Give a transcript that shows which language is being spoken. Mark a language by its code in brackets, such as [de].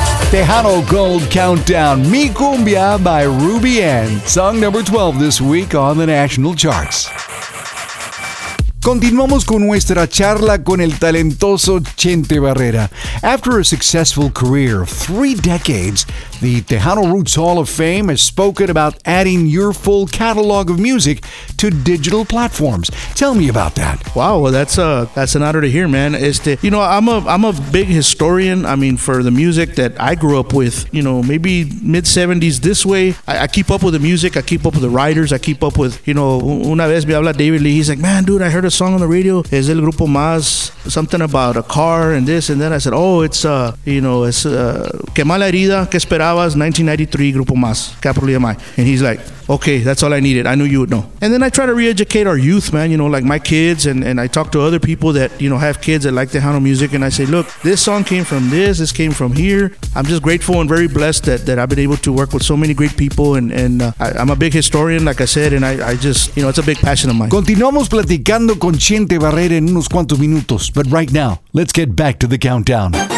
[en] Tejano Gold Countdown, Mi Cumbia by Ruby Ann, song number 12 this week on the national charts. [es] Continuamos con nuestra charla con el talentoso Chente Barrera. [en] After a successful career of 3 decades, the Tejano Roots Hall of Fame has spoken about adding your full catalog of music to digital platforms. Tell me about that. Wow, well, that's an honor to hear, man. You know, I'm a big historian. I mean, for the music that I grew up with, you know, maybe mid-70s this way. I keep up with the music. I keep up with the writers. I keep up with, you know, [es] una vez me habla [en] David Lee. He's like, man, dude, I heard a song on the radio. [es] Es el [en] Grupo Más. Something about a car and this. And then I said, oh, it's, you know, it's Que Mala Herida, Que Esperabas, 1993, Grupo Más, capital EMI. And he's like, okay, that's all I needed. I knew you would know. And then I try to re-educate our youth, man, you know, like my kids. And I talk to other people that, you know, have kids that like Tejano music. And I say, look, this song came from this. This came from here. I'm just grateful and very blessed that I've been able to work with so many great people. And I'm a big historian, like I said. And I just, you know, it's a big passion of mine. [es] Continuamos platicando con Chente Barrera en unos cuantos minutos. [en] But right now, let's get back to the countdown.